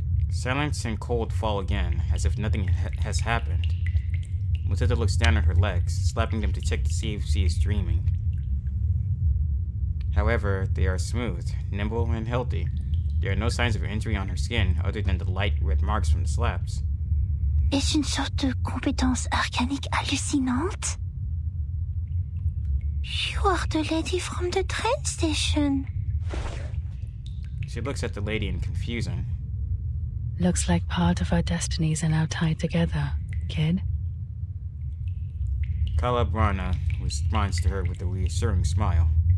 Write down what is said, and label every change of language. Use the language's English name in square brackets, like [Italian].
[English] Silence and cold fall again, as if nothing has happened. Matilda looks down at her legs, slapping them to check to see if she is dreaming. However, they are smooth, nimble, and healthy. There are no signs of injury on her skin other than the light red marks from the slaps. [French] Est-ce une sorte de compétence arcanique hallucinante? [English] You are the lady from the train station. She looks at the lady in confusion. Looks like part of our destinies are now tied together, kid. Kalabrana responds to her with a reassuring smile.